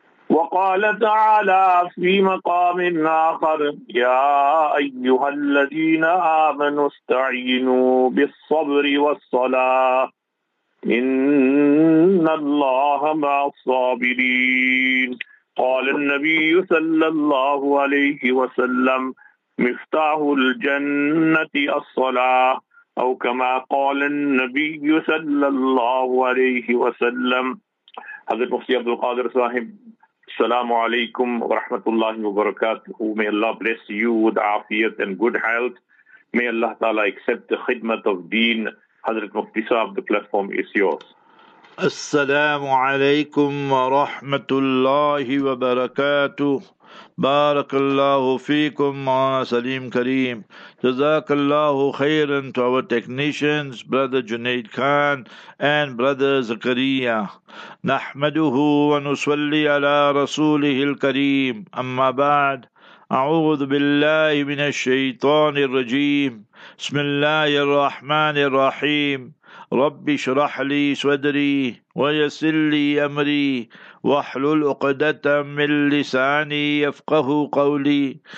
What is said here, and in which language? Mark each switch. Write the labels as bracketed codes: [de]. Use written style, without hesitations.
[ar] وقال تعالى في مقام آخر يا أيها الذين آمنوا استعينوا بالصبر والصلاة إن الله مع الصابرين قال النبي صلى الله عليه وسلم مفتاح الجنة الصلاة أو كما قال النبي صلى الله عليه وسلم. حضرت مفتي عبد القادر صاحب, السلام عليكم ورحمة الله وبركاته. [en] May Allah bless you with afiyat and good health. May Allah ta'ala accept the khidmat of deen. حضرت مفتي صاحب, the platform is yours. [ar] السلام عليكم ورحمة الله وبركاته. بارك الله فيكم مولانا سليم كريم. جزاك الله خيرا [en] to our technicians brother Junaid Khan and brother زكريا. [ar] نحمده ونصلي على رسوله الكريم. أما بعد, أعوذ بالله من الشيطان الرجيم. بسم الله الرحمن الرحيم. رب اشرح لي صدري ويسر لي أمري واحلل عقدة من لساني يفقه قولي.